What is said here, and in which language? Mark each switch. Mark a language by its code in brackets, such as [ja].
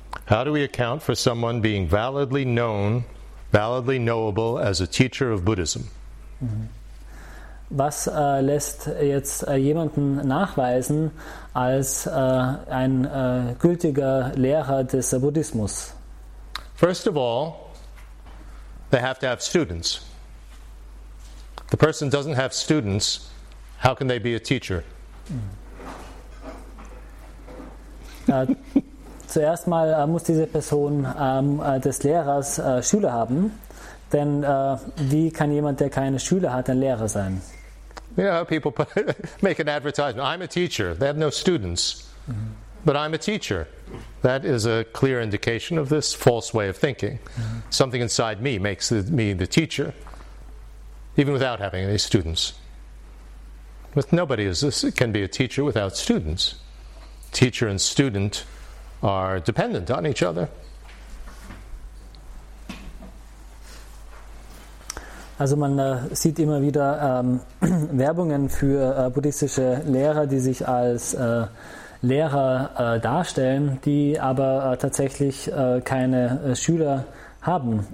[en] How do we account for someone being validly known, validly knowable as a teacher of Buddhism? [de] Was lässt jetzt jemanden nachweisen als ein gültiger Lehrer des Buddhismus? [en] First of all, they have to have students. The person doesn't have students, how can they be a teacher? [de] Zuerst mal muss diese Person des Lehrers Schüler haben, denn wie kann jemand, der keine Schüler hat, ein Lehrer sein? [en] You know how people make an advertisement, I'm a teacher, they have no students, but I'm a teacher. That is a clear indication of this false way of thinking. Mm-hmm. Something inside me makes me the teacher, even without having any students. But nobody can be a teacher without students. Teacher and student are dependent on each other. [de] Also man sieht immer wieder Werbungen für buddhistische Lehrer, die sich als Lehrer darstellen, die aber tatsächlich keine Schüler haben.